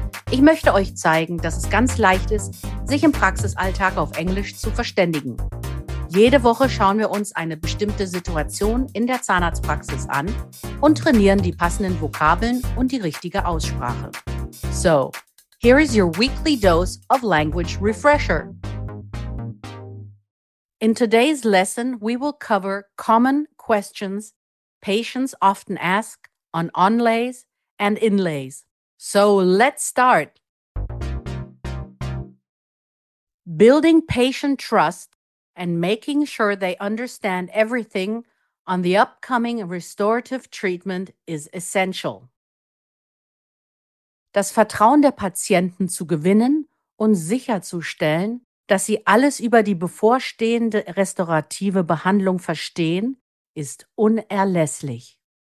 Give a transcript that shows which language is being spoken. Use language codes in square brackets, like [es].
[de] Ich möchte euch zeigen, dass es ganz leicht ist, sich im Praxisalltag auf Englisch zu verständigen. Jede Woche schauen wir uns eine bestimmte Situation in der Zahnarztpraxis an und trainieren die passenden Vokabeln und die richtige Aussprache. [en] So, here is your weekly dose of language refresher. In today's lesson, we will cover common questions patients often ask on onlays and inlays. So let's start. Building patient trust and making sure they understand everything on the upcoming restorative treatment is essential. [de] Das Vertrauen der Patienten zu gewinnen und sicherzustellen, dass sie alles über die bevorstehende restaurative Behandlung verstehen, ist unerlässlich.